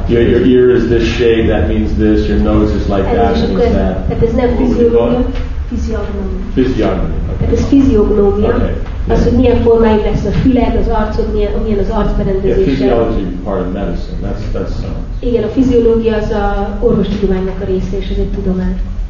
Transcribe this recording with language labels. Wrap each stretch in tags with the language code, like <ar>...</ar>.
<en>Your ear is this shape, that means this, your nose is like that, means that.</en> <hu>Tehát ez nem fiziológia, fiziognomia. Fiziognomia. Okay. Tehát ez fiziognomia.</hu> <en>Okay.</en> <hu>Az, hogy milyen formáig lesz a füled, az arcod, milyen az arcberendezése.</hu> <en>Yeah, physiology is part of medicine, that's so.</en> <hu>Igen, a fiziológia az a orvostudománynak a része, és ez egy tudomány.</hu>